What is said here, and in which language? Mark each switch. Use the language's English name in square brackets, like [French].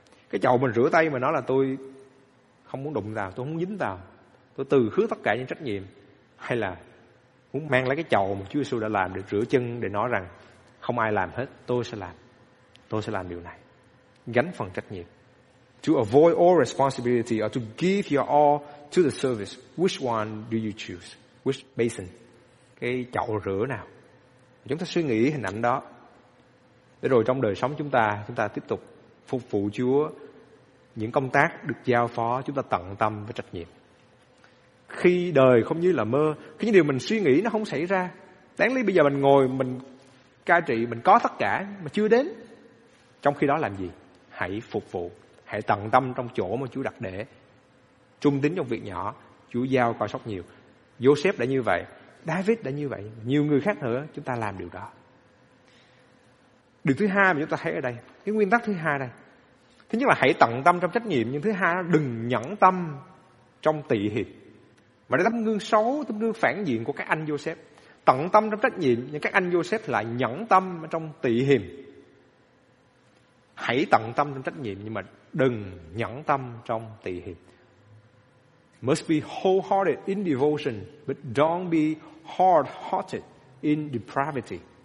[Vietnamese] Cái chậu mình rửa tay mà nói là tôi không muốn đụng vào, tôi không dính vào, tôi từ khứ tất cả những trách nhiệm, hay là muốn mang lấy cái chậu mà Chúa Giêsu đã làm được rửa chân để nói rằng không ai làm hết, tôi sẽ làm điều này, gánh phần trách nhiệm. [English] To avoid all responsibility or to give your all to the service, which one do you choose? Which basin? [Vietnamese] Cái chậu rửa nào? Chúng ta suy nghĩ hình ảnh đó để rồi trong đời sống chúng ta tiếp tục phục vụ Chúa, những công tác được giao phó chúng ta tận tâm với trách nhiệm. Khi đời không như là mơ, khi những điều mình suy nghĩ nó không xảy ra, đáng lý bây giờ mình ngồi mình cai trị, mình có tất cả mà chưa đến, trong khi đó làm gì? Hãy phục vụ, hãy tận tâm trong chỗ mà Chúa đặt để, trung tín trong việc nhỏ, Chúa giao coi sóc nhiều. Joseph đã như vậy, David đã như vậy, nhiều người khác nữa, chúng ta làm điều đó. Điều thứ hai mà chúng ta thấy ở đây, cái nguyên tắc thứ hai đây, thứ nhất là hãy tận tâm trong trách nhiệm, nhưng thứ hai là đừng nhẫn tâm trong tị hiềm. Mà đây là tấm gương xấu, tấm gương phản diện của các anh Joseph. Tận tâm trong trách nhiệm, nhưng các anh Joseph lại nhẫn tâm trong tị hiềm. Hãy tận tâm trong trách nhiệm, nhưng mà đừng nhẫn tâm trong tị hiềm. [English] Must be wholehearted in devotion, but don't be hard-hearted in depravity.